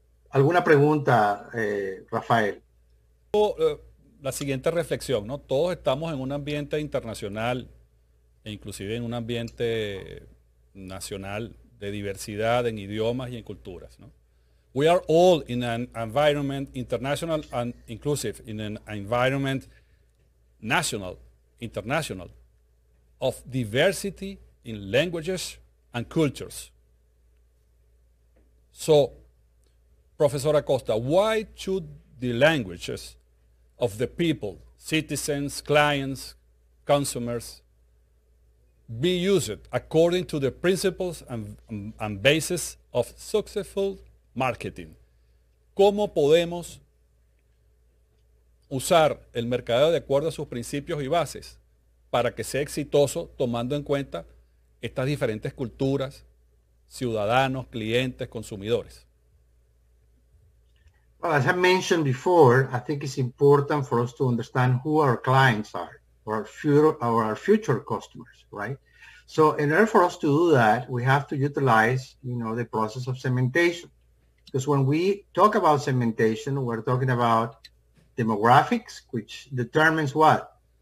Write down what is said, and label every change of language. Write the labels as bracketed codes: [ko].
[es] ¿Alguna pregunta, Rafael? La siguiente reflexión, ¿no? Todos estamos en un ambiente internacional e inclusive en un ambiente nacional de diversidad en idiomas y en culturas, ¿no? [en] We are all in an environment international and inclusive, in an environment national, international, of diversity in languages and cultures. So, Professor Acosta, why should the languages of the people, citizens, clients, consumers, be used according to the principles and basis of successful marketing? [es] ¿Cómo podemos usar el mercadeo de acuerdo a sus principios y bases para que sea exitoso tomando en cuenta estas diferentes culturas, ciudadanos, clientes, consumidores? [en] Well, as I mentioned before, I think it's important for us to understand who our clients are, or our future customers, right? So in order for us to do that, we have to utilize, you know, the process of segmentation. Because when we talk about segmentation, we're talking about demographics, which determines what?